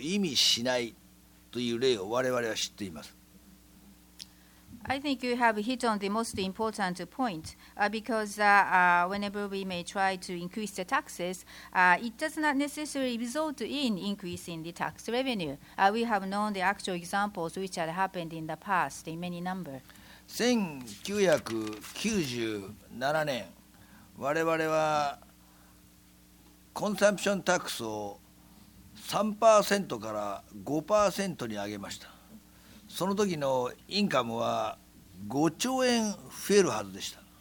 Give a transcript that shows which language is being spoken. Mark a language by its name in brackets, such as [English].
[Japanese] 今のは一番大事な質問のポイントだと思っています。なぜなら増税をするということは必ずしも税の増収を意味しないという例を我々は知っています。 [English] I think you have hit on the most important point because whenever we may try to increase the taxes, it does not necessarily result in increasing the tax revenue. We have known the actual examples which had happened in the past in many number. [Japanese] 1997年, 我々はコンサンプションタックスを 3% から 5% に上げました。その時のインカムは5兆円増えるはずでした。